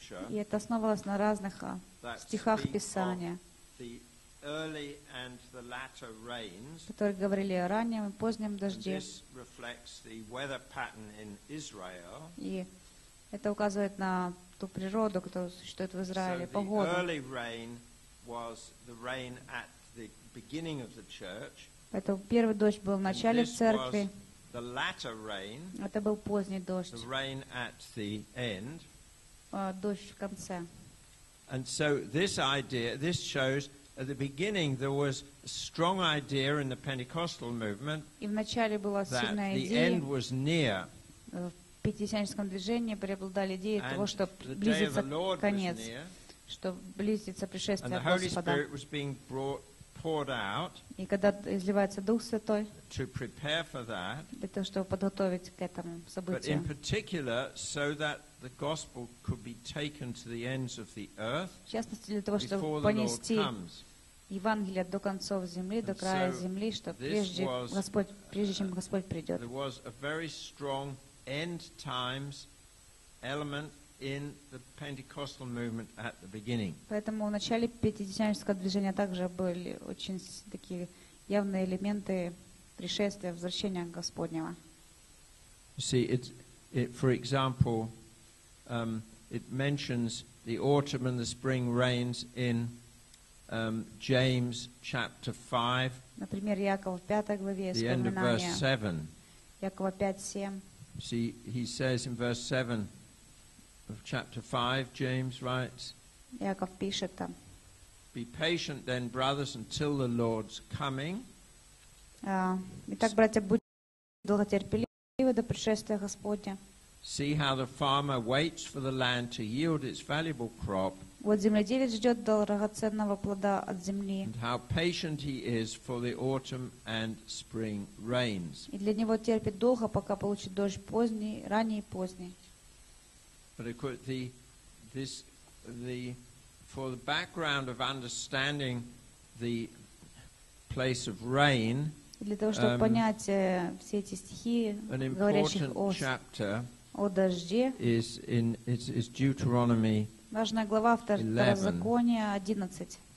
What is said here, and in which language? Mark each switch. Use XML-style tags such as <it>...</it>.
<ru>И это основывалось на разных стихах Писания, которые говорили о раннем и позднем дожде.</ru> <en>Reflects the weather pattern in Israel.</en> <ru>И это указывает на ту природу, которая существует в Израиле, погоду.</ru> <en>The early rain was the rain at the beginning of the church.</en> <ru>Поэтому первый дождь был в начале церкви.</ru> <en>The latter rain.</en> <ru>Это был поздний дождь.</ru> <en>The rain at the end.</en> <ru>Дождь в конце.</ru> <en>And so this idea, this shows. At the beginning, there was a strong idea in the Pentecostal movement that the end was near.</en> <ru>В пятидесятническом движении преобладали идеи того, что близится конец, что близится пришествие Господа.</ru> <en>And the Holy Spirit was being poured out.</en> <ru>И когда изливается Дух Святой.</ru> <en>To prepare for that.</en> <ru>Для того, чтобы подготовить к этому событию.</ru> <en>But in particular, so that the gospel could be taken to the ends of the earth.</en> <ru>В частности, для того, чтобы понести Евангелие до концов земли, до края земли, что прежде Господь, прежде чем Господь придет.</ru> <en>There was a very strong end times element in the Pentecostal movement at the beginning.</en> <ru>Поэтому в начале пятидесятнического движения также были очень такие явные элементы пришествия, возвращения Господнего.</ru> <en>See, it, for example, it mentions the autumn and the spring rains in James chapter 5.</en> <ru>Например, Яков 5 главе,</ru> <en>the end of verse 7.</en> <ru>Якова 5:7.</ru> <en>See, he says in verse 7 of chapter 5, James writes,</en> <ru>Яков пишет там,</ru> <en>be patient then, brothers, until the Lord's coming.</en> <ru>Итак, братья, будьте долготерпеливы до пришествия Господня.</ru> <en>See how the farmer waits for the land to yield its valuable crop.</en> <ru>Вот земледелец ждет драгоценного плода от земли.</ru> <en>And how patient he is for the autumn and spring rains.</en> <ru>И для него терпит долго, пока получит дождь поздний, ранний и поздний.</ru> <en>But of course, for the background of understanding the place of rain.</en> <ru>И для того, чтобы понять все эти стихи, говорящих о</ru> <en>chapter,</en> <ru>о дожде,</ru> <en>is Deuteronomy 11.</en> <ru>Важная глава Второзакония 11.</ru>